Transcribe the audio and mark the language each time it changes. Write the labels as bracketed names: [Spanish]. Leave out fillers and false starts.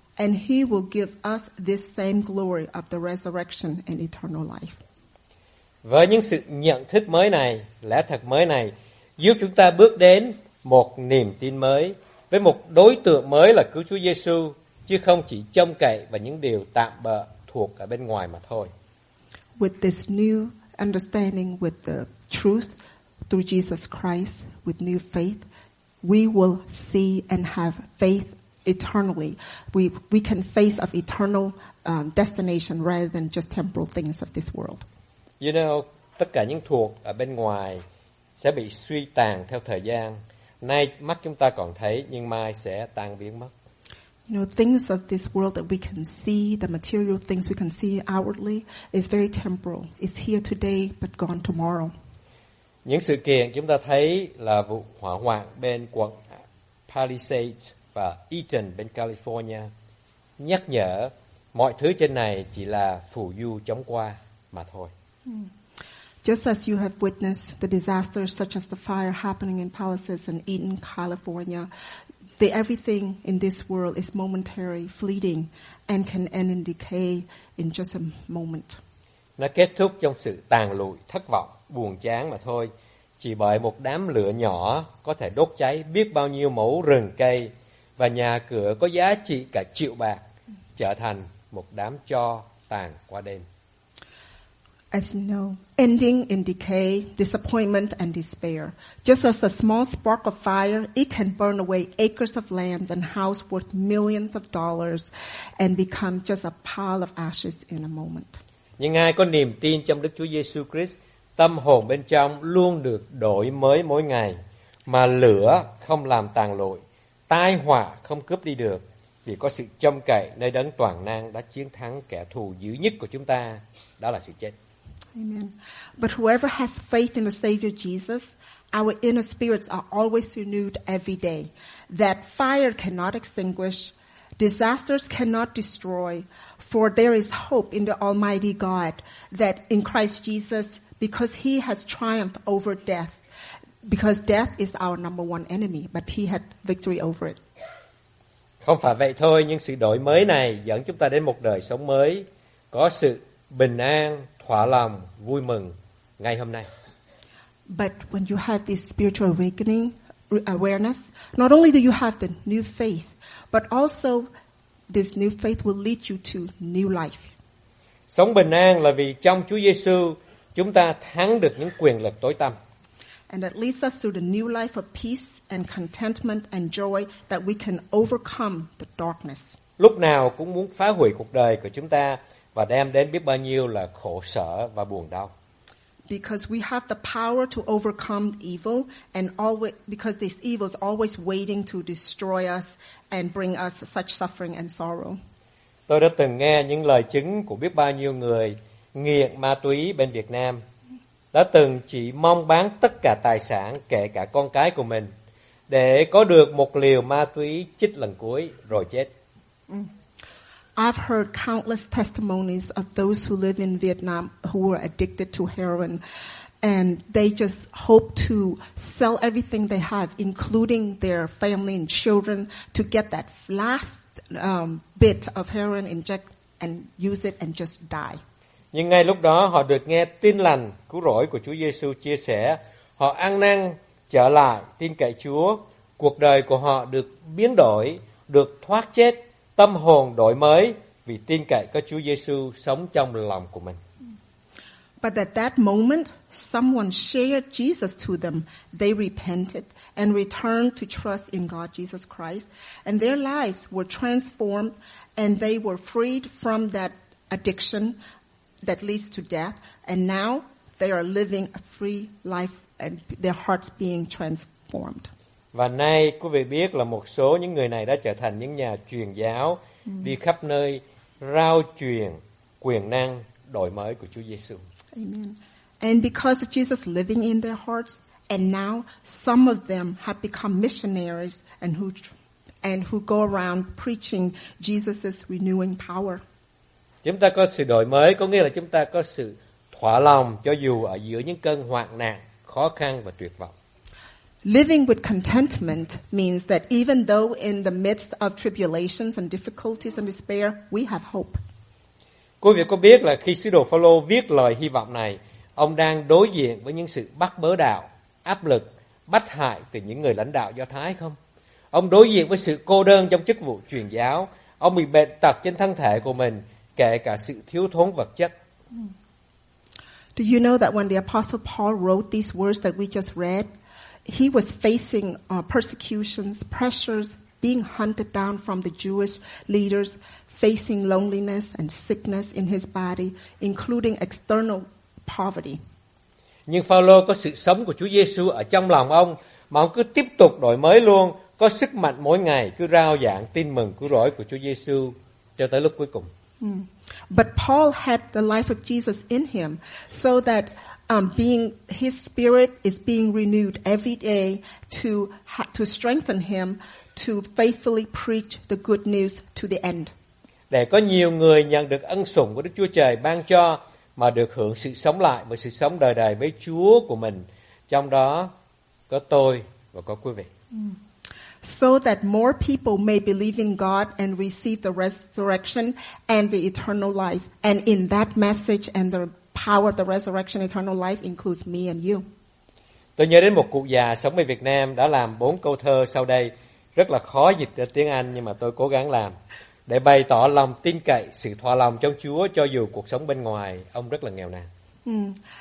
[English] And he will give us this same glory of the resurrection and eternal life. [Vietnamese] Với những sự nhận thức mới này, lẽ thật mới này, giúp chúng ta bước đến một niềm tin mới với một đối tượng mới là cứu Chúa Giêsu, chứ không chỉ trông cậy vào những điều tạm bợ thuộc ở bên ngoài mà thôi. [English] With this new understanding, with the truth through Jesus Christ, with new faith, we will see and have faith eternally. We can face of eternal destination rather than just temporal things of this world. You know, [Vietnamese] tất cả những thuộc ở bên ngoài sẽ bị suy tàn theo thời gian. Nay mắt chúng ta còn thấy nhưng mai sẽ tan biến mất. [English] You know, things of this world that we can see, the material things we can see outwardly, is very temporal. It's here today but gone tomorrow. [Vietnamese] Những sự kiện chúng ta thấy là vụ hỏa hoạn bên quận Palisades và Eaton bên California nhắc nhở mọi thứ trên này chỉ là phù du chóng qua mà thôi. [English] Just as you have witnessed the disasters such as the fire happening in Palisades and Eaton, California, the everything in this world is momentary, fleeting, and can end in decay in just a moment. [Vietnamese] Nó kết thúc trong sự tàn lụi, thất vọng, buồn chán mà thôi. Chỉ bởi một đám lửa nhỏ có thể đốt cháy biết bao nhiêu mẫu rừng cây và nhà cửa có giá trị cả triệu bạc trở thành một đám tro tàn qua đêm. [English] As you know, ending in decay, disappointment and despair. Just as a small spark of fire, it can burn away acres of lands and house worth millions of dollars and become just a pile of ashes in a moment. [Vietnamese] Nhưng ai có niềm tin trong Đức Chúa Giêsu Christ, tâm hồn bên trong luôn được đổi mới mỗi ngày, mà lửa không làm tàn lụi, tai họa không cướp đi được, vì có sự trông cậy nơi đấng toàn năng đã chiến thắng kẻ thù dữ nhất của chúng ta, đó là sự chết. [English] Amen. But whoever has faith in the Savior Jesus, our inner spirits are always renewed every day. That fire cannot extinguish. Disasters cannot destroy, for there is hope in the Almighty God that in Christ Jesus, because he has triumphed over death, because death is our number one enemy, but he had victory over it. [Vietnamese] Không phải vậy thôi, nhưng sự đổi mới này dẫn chúng ta đến một đời sống mới, có sự bình an, thỏa lòng, vui mừng ngay hôm nay. [English] But when you have this spiritual awakening, awareness, not only do you have the new faith, but also this new faith will lead you to new life. [Vietnamese] Sống bình an là vì trong Chúa Giêsu chúng ta thắng được những quyền lực tối tăm. [English] And that leads us to the new life of peace and contentment and joy that we can overcome the darkness. [Vietnamese] Lúc nào cũng muốn phá hủy cuộc đời của chúng ta và đem đến biết bao nhiêu là khổ sở và buồn đau. [English] Because we have the power to overcome evil and always because this evil is always waiting to destroy us and bring us such suffering and sorrow. [Vietnamese] Tôi đã từng nghe những lời chứng của biết bao nhiêu người nghiện ma túy bên Việt Nam, đã từng chỉ mong bán tất cả tài sản, kể cả con cái của mình, để có được một liều ma túy chích lần cuối rồi chết. [English] I've heard countless testimonies of those who live in Vietnam who were addicted to heroin, and they just hope to sell everything they have, including their family and children, to get that last bit of heroin, inject and use it and just die. [Vietnamese] Nhưng ngay lúc đó họ được nghe tin lành cứu rỗi của Chúa Giêsu chia sẻ, họ ăn năn trở lại tin cậy Chúa, cuộc đời của họ được biến đổi, được thoát chết, tâm hồn đổi mới vì tin cậy có Chúa Giêsu sống trong lòng của mình. [English] But at that moment, someone shared Jesus to them. They repented and returned to trust in God Jesus Christ, and their lives were transformed, and they were freed from that addiction that leads to death. And now they are living a free life, and their hearts being transformed. [Vietnamese] Và nay quý vị biết là một số những người này đã trở thành những nhà truyền giáo, đi khắp nơi rao truyền quyền năng đổi mới của Chúa Giêsu. [English] Amen. And because of Jesus living in their hearts, and now some of them have become missionaries and who go around preaching Jesus's renewing power. [Vietnamese] Chúng ta có sự đổi mới có nghĩa là chúng ta có sự thỏa lòng cho dù ở giữa những cơn hoạn nạn, khó khăn và tuyệt vọng. [English] Living with contentment means that even though in the midst of tribulations and difficulties and despair, we have hope. [Vietnamese] Quý vị có biết là khi sứ đồ Phaolô viết lời hy vọng này, ông đang đối diện với những sự bắt bớ đạo, áp lực, bắt hại từ những người lãnh đạo Do Thái không? Ông đối diện với sự cô đơn trong chức vụ truyền giáo, ông bị bệnh tật trên thân thể của mình, kể cả sự thiếu thốn vật chất. [English] Do you know that when the Apostle Paul wrote these words that we just read, he was facing persecutions, pressures, being hunted down from the Jewish leaders, facing loneliness and sickness in his body, including external poverty. [Vietnamese] Nhưng Phaolô có sự sống của Chúa Giêsu ở trong lòng ông, mà ông cứ tiếp tục đổi mới luôn, có sức mạnh mỗi ngày cứ rao giảng tin mừng cứu rỗi của Chúa Giêsu cho tới lúc cuối cùng. [English] But Paul had the life of Jesus in him, so that his spirit is being renewed every day to strengthen him to faithfully preach the good news to the end. [Vietnamese] Để có nhiều người nhận được ân sủng của Đức Chúa Trời ban cho mà được hưởng sự sống lại và sự sống đời đời với Chúa của mình, trong đó có tôi và có quý vị. [English] So that more people may believe in God and receive the resurrection and the eternal life, and in that message and the power of the resurrection eternal life includes me and you. [Vietnamese] Tôi nhớ đến một cụ già sống ở Việt Nam đã làm 4 câu thơ sau đây, rất là khó dịch ra tiếng Anh nhưng mà tôi cố gắng làm. Để bày tỏ lòng tin cậy, sự thỏa lòng trong Chúa cho dù cuộc sống bên ngoài ông rất là nghèo nàn.